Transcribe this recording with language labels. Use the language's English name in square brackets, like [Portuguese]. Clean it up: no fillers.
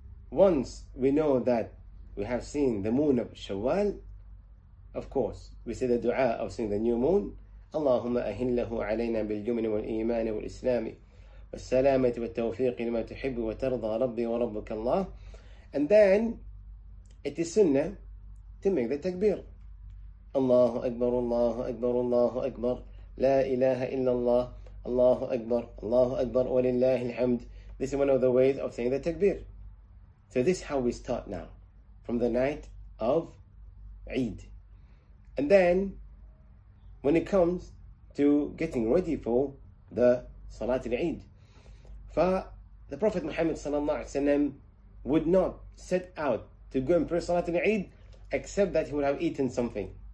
[English] Once we know that we have seen the moon of Shawwal, of course, we say the dua of seeing the new moon. [Arabic] اللهم أهن له علينا بالجمن والإيمان والإسلام والسلامة والتوفيق لما تحب وترضى ربي وربك الله. [English] And then it is sunnah to make the takbir. [Arabic] الله أكبر الله أكبر الله أكبر لا إله إلا الله الله أكبر الله أكبر ولله الحمد. [English] This is one of the ways of saying the takbir. So this is how we start now, from the night of Eid. And then, when it comes to getting ready for the Salat al-Eid, the Prophet Muhammad ﷺ would not set out to go and pray Salat al-Eid except that he would have eaten something.